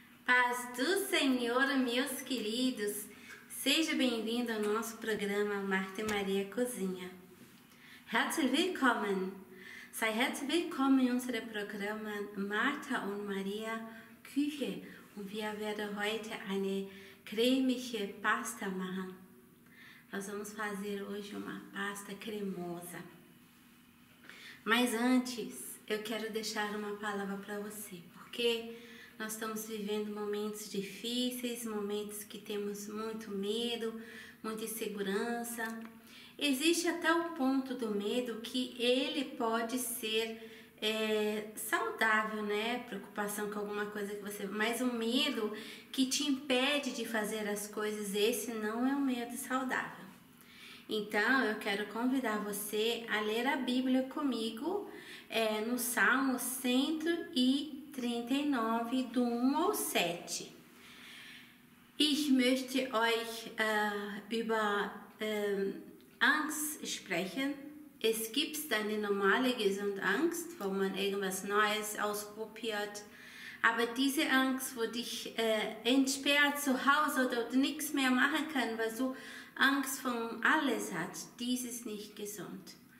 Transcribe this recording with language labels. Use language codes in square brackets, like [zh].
[pt] Paz do Senhor, meus queridos, seja bem-vindo ao nosso programa Marta e Maria Cozinha. [de] Herzlich willkommen! Sei herzlich willkommen in unserem Programm Marta und Maria Küche. Und wir werden heute eine cremige Pasta machen. [pt] Nós vamos fazer hoje uma pasta cremosa. Mas antes, eu quero deixar uma palavra para você, porque nós estamos vivendo momentos difíceis, momentos que temos muito medo, muita insegurança. Existe até o ponto do medo que ele pode ser saudável, né? Preocupação com alguma coisa que você. Mas o medo que te impede de fazer as coisas, esse não é um medo saudável. Então, eu quero convidar você a ler a Bíblia comigo, no Salmo 139, do 1 ao 7. [de] Ich möchte euch über Angst sprechen. Es gibt eine normale Gesundangst, wo man irgendwas Neues ausprobiert. Aber diese Angst, wo dich entsperrt zu Hause oder du nichts mehr machen kannst, weil du Angst vor alles hast, dies ist nicht gesund.